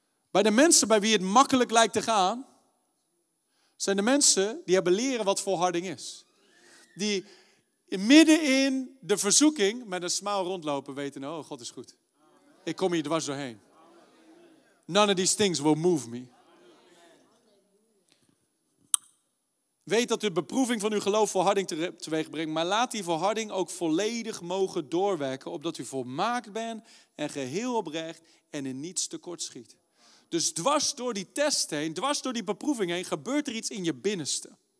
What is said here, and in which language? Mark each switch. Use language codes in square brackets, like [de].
[nl] Bij de mensen bij wie het makkelijk lijkt te gaan, zijn de mensen die hebben leren wat volharding is. Die midden in de verzoeking met een smile rondlopen weten, oh God is goed. Ik kom hier dwars doorheen. [en] None of these things will move me. [nl] Weet dat de beproeving van uw geloof volharding teweeg brengt, maar laat die volharding ook volledig mogen doorwerken, opdat u volmaakt bent en geheel oprecht en in niets tekort schiet. Dus dwars door die test heen, dwars door die beproeving heen, gebeurt er iets in je binnenste.